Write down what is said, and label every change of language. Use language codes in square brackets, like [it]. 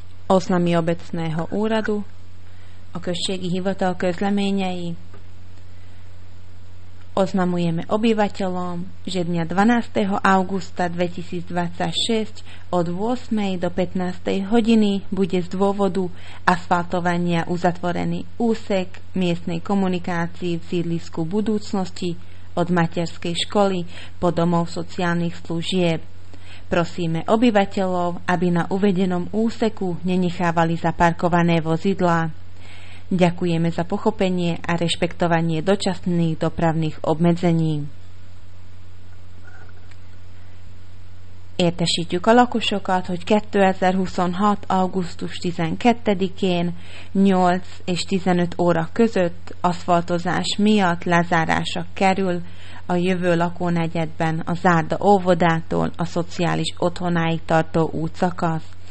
[sk] oznami obecného úradu, [hu] a községi hivatal közleményei. [sk] Oznamujeme obyvateľom, že dňa 12. augusta 2026 od 8. do 15. hodiny bude z dôvodu asfaltovania uzatvorený úsek miestnej komunikácie v sídlisku budúcnosti od materskej školy po domov sociálnych služieb. Prosíme obyvateľov, aby na uvedenom úseku nenechávali zaparkované vozidlá. Ďakujeme za pochopenie a rešpektovanie dočasných dopravných obmedzení. [hu] Értesítjük a lakosokat, hogy 2026. augusztus 12-én 8 és 15 óra között aszfaltozás miatt lezárásra kerül a jövő lakónegyedben a Zárda óvodától a szociális otthonáig tartó útszakasz.